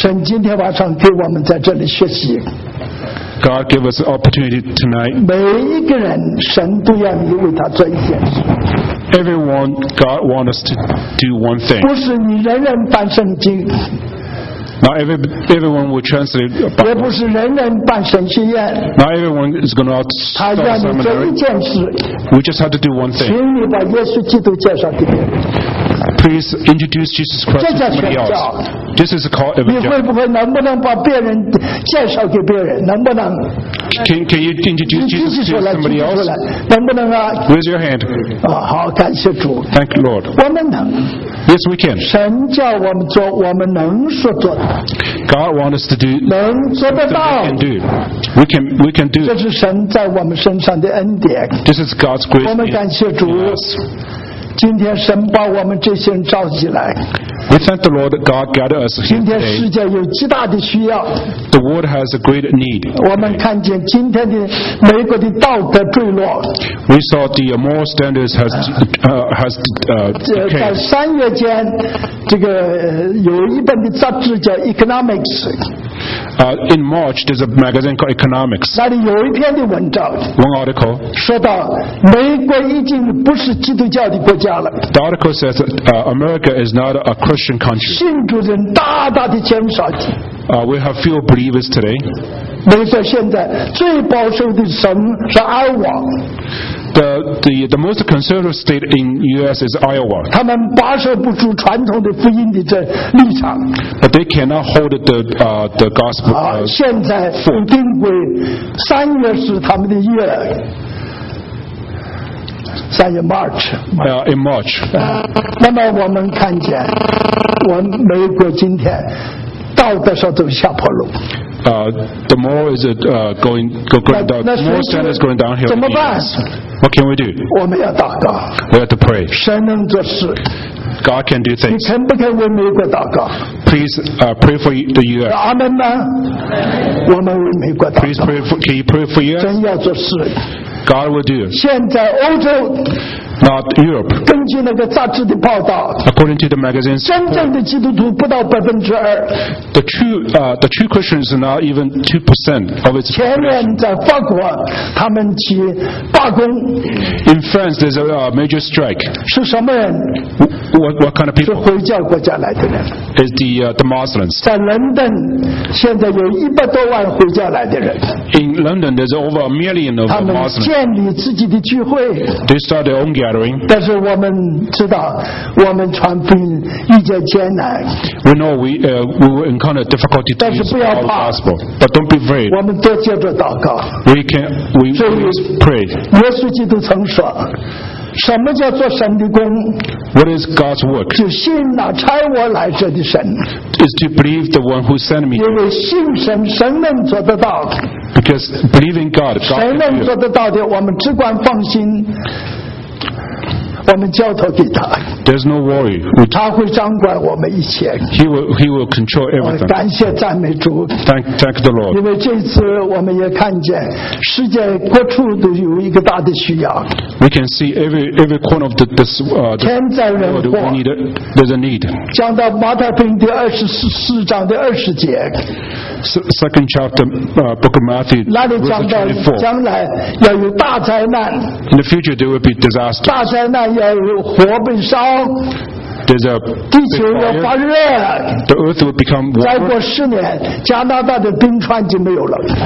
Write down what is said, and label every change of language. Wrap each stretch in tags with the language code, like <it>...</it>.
<zh>神今天晚上给我们在这里学习。</zh> <en>God give us an opportunity tonight.</en> <zh>每一个人，神都要你为他做一件事。</zh> <en>Everyone, God wants us to do one thing.</en> <zh>不是你人人翻圣经。</zh> <en>Not everyone will translate.</en> <zh>也不是人人办神学院。</zh> <en>Not everyone is going to start a seminary.</en> <zh>他要你做一件事。</zh> <en>We just have to do one thing.</en> <zh>请你把耶稣基督介绍给别人。</zh> <en>Please introduce Jesus Christ to somebody else. This is called evangelism.</en> <zh>你会不会能不能把别人介绍给别人？能不能</zh> <en>？Can you introduce Jesus to somebody else?</en> <zh>能不能啊</zh> <en>？Raise your hand.</en> <zh>啊，好，感谢主。</zh> <en>Thank you, Lord.</en> <zh>我们能。</zh> <en>Yes, we can.</en> <zh>神叫我们做，我们能说做。</zh> <en>God wants us to do.</en> <zh>能做得到。</zh> <en>We can do. We can do.</en> <zh>这是神在我们身上的恩典。</zh> <en>This is God's grace.</en> <zh>我们感谢主。今天神把我们这些人召集来。</zh> <en>We thank the Lord that God gathered us here.</en> <zh>今天世界有极大的需要。</zh> <en>The world has a great need.</en> <zh>我们看见今天的美国的道德坠落。</zh> <en>We saw the moral standards has decayed.</en> <zh>在三月间，这个有一本的杂志叫《Economics》。</zh> <en>In March, there's a magazine called Economics.</en> <zh>那里有一篇的文章。</zh> <en>One article.</en> <zh>说到美国已经不是基督教的国家了。</zh> <en>The article says America is not a Christian country.</en> <zh>信徒人大大的减少。</zh> <en>We have few believers today.</en> <zh>美国现在最保守的省是爱华。</zh> <en>The most conservative state in U.S. is Iowa.</en> <zh>他们把守不住传统的福音的这立场。</zh> <en>But they cannot hold the gospel.</en> <zh>现在定规三月是他们的月。三月 March。</zh> <en>In March。</en> <zh>那么我们看见，我们美国今天道德上走下坡路。</zh> <en>The moral is going downhill.</en> <zh>怎么办？</zh> <en>What can we do?</en> <zh>我们要祷告。</zh> <en>We have to pray.</en> <zh>神能做事。</zh> <en>God can do things.</en> <zh>你肯不肯为美国祷告？</zh> <en>Please pray for the U.S.</en> <zh>阿门吗？我们为美国祷告。</zh> <en>Please pray for. Can you pray for U.S.?</en> <zh>真要做事。</zh> <en>God will do.</en> <zh>现在欧洲。</zh> <en>Not Europe.</en> <zh>根据那个杂志的报道。</zh> <en>According to the magazine.</en> <zh>真正的基督徒不到百分之二。</zh> <en>The true Christians are not even 2% of its.</en> <zh>前面在法国，他们去罢工。</zh> <en>In France, there's a major strike.</en> <zh>是什么人？</zh> <en>What kind of people?</en> <zh>是回教国家来的人。</zh> <en>Is the Muslims.</en> <zh>在伦敦，现在有100多万回教来的人。</zh> <en>In London, there's over a million of Muslims.</en> <zh>他们建立自己的聚会。</zh> <en>They start their own gathering.</en> <zh>但是我们知道，我们传福音遇见艰难。</zh> <en>We know we will encounter difficulty to use the gospel. But don't be afraid.</en> <zh>我们多接着祷告。</zh> <en>We pray.</en> <zh>耶稣基督曾说。什么叫做神的工？</zh> <en>What is God's work?</en> <zh>就信那差我来这的神。</zh> <en>Is to believe the one who sent me.</en> <zh>因为信神，神能做得到。</zh> <en>Because believing God, God can do.</en> <zh>神能做得到的，我们只管放心。我们交托给他。</zh> <en>There's no worry.</en> <zh>他会掌管我们一切。</zh> <en>He will control everything.</en> <zh>感谢赞美主。</zh> <en>Thank the Lord.</en> <zh>因为这次我们也看见，世界各处都有一个大的需要。</zh> <en>We can see every corner of this world.</en> <zh>天灾人祸。</zh> <en>There's a need.</en> <zh>讲到马太福音第24章的20节。</zh> <en>Second chapter, Book of Matthew, verse 24.</en> <zh>那里讲到将来要有大灾难。</zh> <en>In the future, there will be disaster.</en> <zh>大灾难。</zh> <en>There's a big fire.</en> <zh>地球要发热。</zh> <en>The earth will become warm.</en> <zh>再过十年，加拿大的冰川就没有了。</zh>